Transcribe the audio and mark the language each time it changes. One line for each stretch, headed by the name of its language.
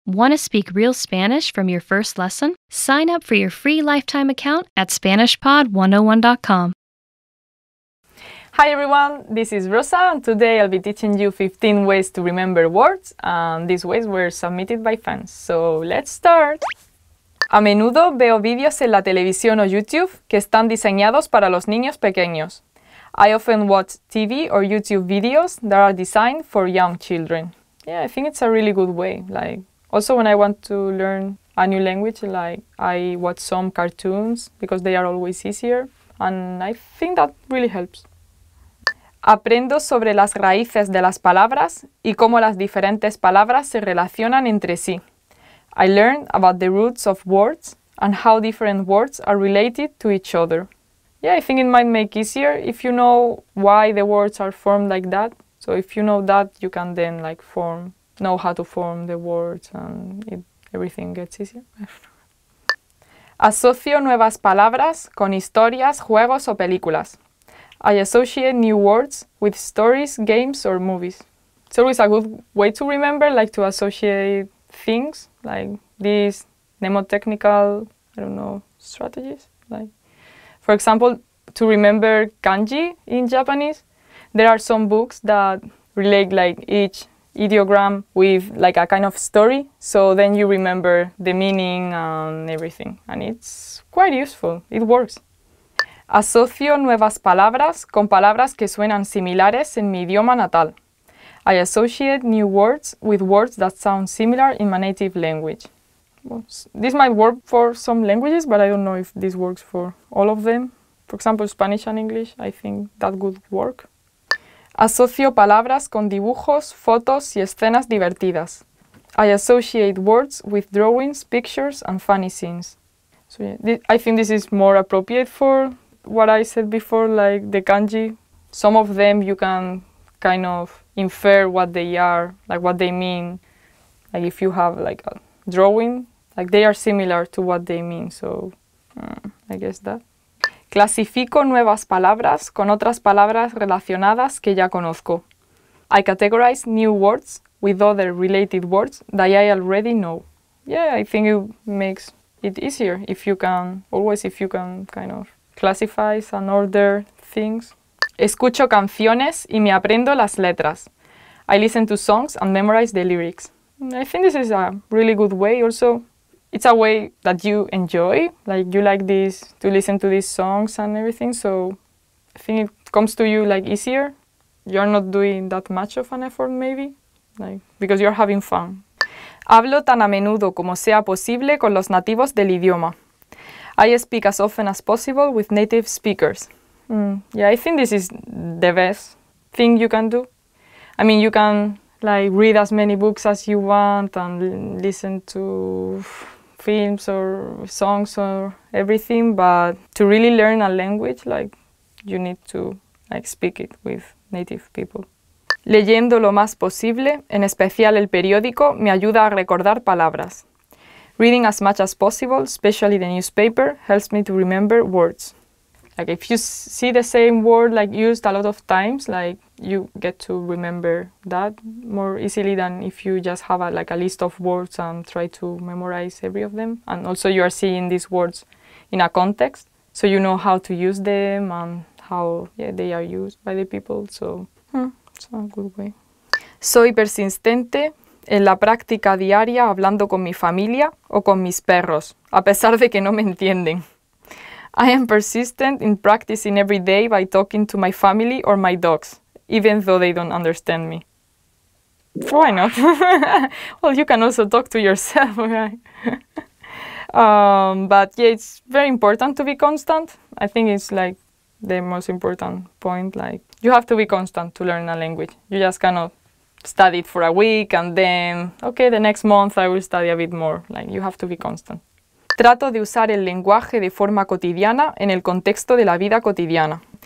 English: Want to speak real Spanish from your first lesson? Sign up for your free lifetime account at SpanishPod101.com. Hi everyone, this is Rosa, and today I'll be teaching you 15 ways to remember words, and these ways were submitted by fans. So let's start!
Spanish: A menudo veo vídeos en la televisión o YouTube que están diseñados para los niños pequeños.
English: I often watch TV or YouTube videos that are designed for young children. Yeah, I think it's a really good way. Like, also when I want to learn a new language, like, I watch some cartoons because they are always easier, and I think that really helps.
Spanish: Aprendo sobre las raíces de las palabras y cómo las diferentes palabras se relacionan entre sí.
English: I learned about the roots of words and how different words are related to each other. Yeah, I think it might make easier if you know why the words are formed like that. So if you know that, you can then like know how to form the words and everything gets easier.
Spanish: Asocio nuevas palabras con historias, juegos o películas.
English: I associate new words with stories, games or movies. It's always a good way to remember, like to associate things, like these mnemotechnical, strategies. Like, for example, to remember kanji in Japanese, there are some books that relate like each ideogram with like a kind of story. So then you remember the meaning and everything. And it's quite useful. It works.
Spanish: Asocio nuevas palabras con palabras que suenan similares en mi idioma natal.
English: I associate new words with words that sound similar in my native language. Well, this might work for some languages, but I don't know if this works for all of them. For example, Spanish and English, I think that would work.
Spanish: Asocio palabras con dibujos, fotos y escenas divertidas.
English: I associate words with drawings, pictures and funny scenes. So yeah, I think this is more appropriate for what I said before, like the kanji. Some of them you can kind of infer what they are, like what they mean. Like if you have like a drawing, like they are similar to what they mean. So I guess that.
Spanish: Clasifico nuevas palabras con otras palabras relacionadas que ya conozco.
English: I categorize new words with other related words that I already know. Yeah, I think it makes it easier if you can kind of classify and order things.
Spanish: Escucho canciones y me aprendo las letras.
English: I listen to songs and memorize the lyrics. I think this is a really good way also. It's a way that you enjoy, like you like this, to listen to these songs and everything, so I think it comes to you like easier. You're not doing that much of an effort maybe, like, because you're having fun.
Spanish: Hablo tan a menudo como sea posible con los nativos del idioma.
English: I speak as often as possible with native speakers. Yeah, I think this is the best thing you can do. I mean, you can like read as many books as you want and listen to films or songs or everything, but to really learn a language, like, you need to like speak it with native people.
Spanish: Leyendo lo más posible, en especial el periódico, me ayuda a recordar palabras.
English: Reading as much as possible, especially the newspaper, helps me to remember words. Like if you see the same word like used a lot of times, like you get to remember that more easily than if you just have a list of words and try to memorize every of them. And also you are seeing these words in a context, so you know how to use them and how they are used by the people. So it's a good way.
Spanish: Soy persistente en la práctica diaria hablando con mi familia o con mis perros, a pesar de que no me entienden.
English: I am persistent in practicing every day by talking to my family or my dogs, even though they don't understand me. Why not? Well, you can also talk to yourself, right? But yeah, it's very important to be constant. I think it's like the most important point. Like, you have to be constant to learn a language. You just cannot study it for a week and then, okay, the next month I will study a bit more. Like, you have to be constant.
Spanish: Trato de usar el lenguaje de forma cotidiana en el contexto de la vida cotidiana.